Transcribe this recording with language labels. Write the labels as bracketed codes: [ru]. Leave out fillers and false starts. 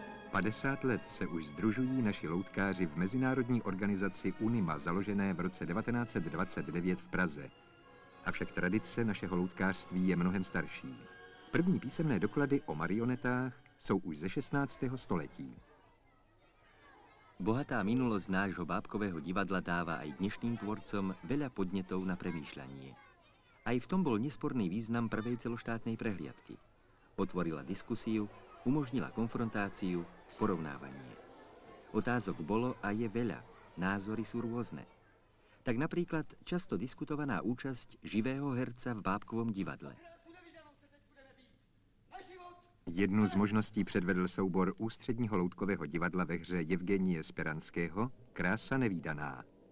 [cs] 50 let se už združují naši loutkáři v mezinárodní organizaci UNIMA, založené v roce 1929 v Praze. Avšak tradice našeho loutkářství je mnohem starší. První písemné doklady o marionetách jsou už ze 16. století. [sk] Bohatá minulost nášho bábkového divadla dává aj dnešným tvorcom veľa podnetov na premýšľanie. Aj v tom bol nesporný význam prvej celoštátnej prehliadky. Otvorila diskusiu, umožnila konfrontáciu, porovnávanie. Otázok bolo a je veľa, názory sú rôzne. Tak napríklad často diskutovaná účasť živého herca v bábkovom divadle. [cs] Jednu z možností předvedl soubor ústředního loutkového divadla ve hře Jevgenie Speranského Krása nevídaná.